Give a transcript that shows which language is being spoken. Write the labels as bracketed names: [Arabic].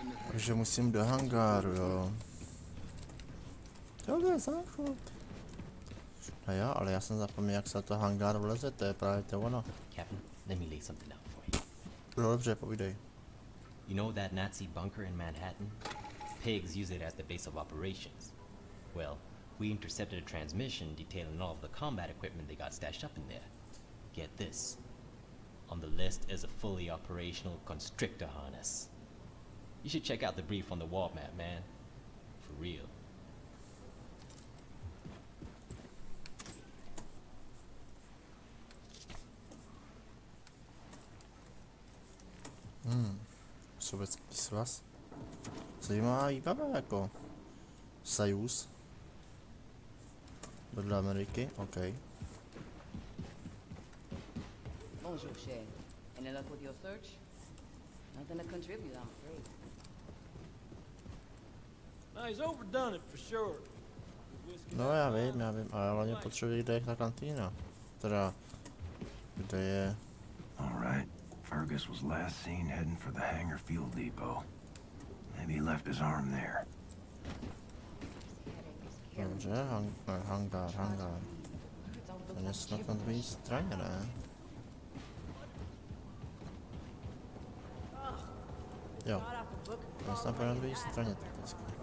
[Czech] Takže musím do hangáru, jo. Tohle je záchod. A jo, ale já jsem zapomněl, jak se to hangár vleze, to je právě to ono. [English] Captain, let me lay something down for you. [Czech] No dobře, povídej. [English] You know that Nazi bunker in Manhattan? Pigs use it as the base of operations. Well, we intercepted a transmission detailing all of the combat equipment they got stashed up in there. Get this. On the list is a fully operational constrictor harness. You should check out the brief on the wall map, man. For real. [Czech] Hmm. Sovětský svaz. Zajímavý baba jako. Sajus. Podle Ameriky, OK. [French] Bonjour, Shane. [English] Any luck with your search? Nothing to contribute, I'm afraid. Now he's overdone it for sure. [Czech] No, já vím, ale hlavně potřebuji, kde je ta kantýna. Teda, kde je... [English] Alright, Fergus was last seen heading for the hangar fuel depot. Maybe he left his arm there. [Czech] Dobře, hangár. To je snad na druhé straně, ne? Jo, to je snad na druhé straně takticky.